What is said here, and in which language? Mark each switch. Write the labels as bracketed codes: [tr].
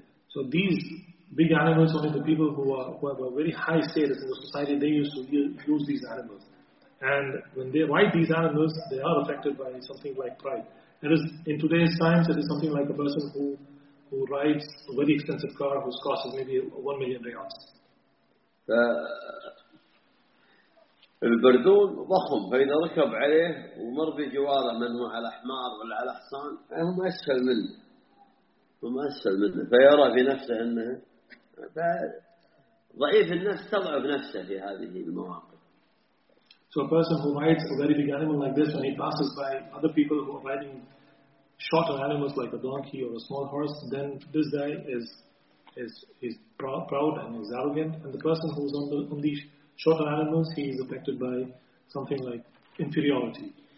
[en] So these big animals, only the people who have a very high status in the society, they used to use these animals. And when they ride these animals, they are affected by something like pride. That is, in today's times, it is something like a person who rides a very expensive car whose cost is maybe 1 million riyals. [ar] البردون ضخم فإذا ركب عليه ومر بجواره منه على حمار ولا على حصان فهم أسفل منه فيرى في نفسه أنه ضعيف النفس تضعف نفسه في هذه المواقف. [en] So a person who rides a very big animal like this, when he passes by other people who are riding shorter animals like a donkey or a small horse, then this guy is proud and is arrogant, and the person who is on these shorter animals, he is affected by something like inferiority.